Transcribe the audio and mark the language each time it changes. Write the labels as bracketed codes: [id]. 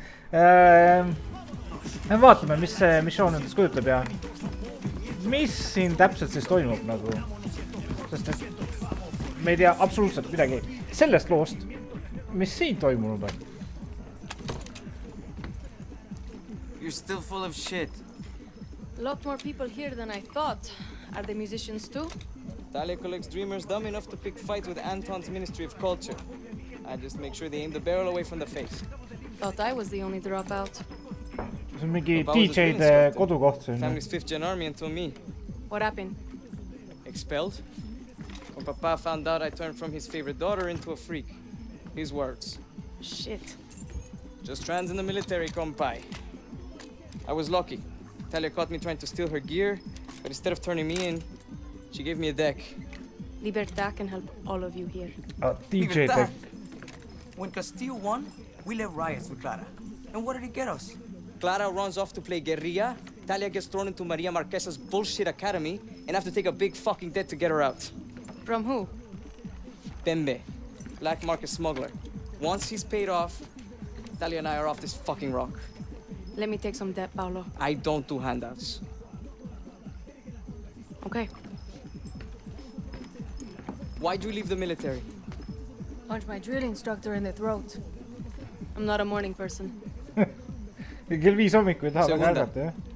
[et] Vaatame, mis see missioon endast kujutab ja mis siin täpselt siis toimub nagu. Sest et me ei tea absoluutselt midagi sellest loost, mis siin toimunud on. [en] You're still full of shit. A lot more people here than I thought. Are they musicians too? Talia collects dreamers dumb enough to pick fights with Anton's Ministry of Culture. I just make sure they aim the barrel away from the face. Thought I was the only dropout. [et] See on mingi DJ-de kodukoht siin. [en] Family's 5th-gen army until me. What happened? Expelled. When papa found out I turned from his favorite daughter into a freak. His words. Shit. Just trans in the military, compay. I was lucky. Talia caught me trying to steal her gear, but instead of turning me in, she gave me a deck. Libertad can help all of you here. DJ deck. When Castillo won, we left riots with Clara. And what did he get us? Clara runs off to play guerrilla, Talia gets thrown into Maria Marquesa's bullshit academy, and have to take a big fucking debt to get her out. From who? Pembe, black market smuggler. Once he's paid off, Talia and I are off this fucking rock. Let me take some debt, Paolo. I don't do handouts. Okay. Why'd you leave the military? Punch my drill instructor in the throat. I'm not a morning person. [et] Kell viis hommik, kui tahab kärgata, jah?